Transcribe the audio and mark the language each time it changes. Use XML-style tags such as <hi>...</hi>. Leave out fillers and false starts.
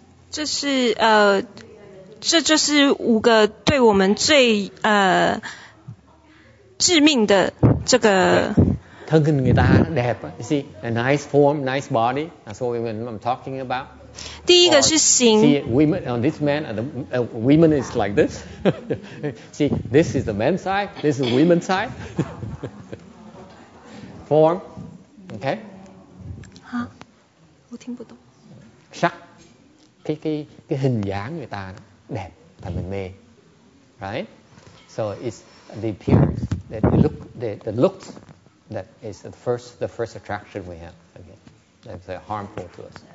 <zh>这是这就是五个对我们最致命的这个。</zh> <vi>Thân hình người ta đẹp,</vi> <en>you see, a nice form, nice body.</en> <vi>That's what I'm talking about.</vi> <zh>第一个是形。</zh> <en>See, women, on this man, and the women is like this. See, this is the man's side, this is the woman's side. Form, okay?</en> <zh>哈，我听不懂。</zh> <vi>Sắc, cái hình dáng người ta đẹp, thành mình mê, right?</vi> <en>So it's the appearance, that the looks, that is the first attraction we have. Okay, that's harmful to us.</en>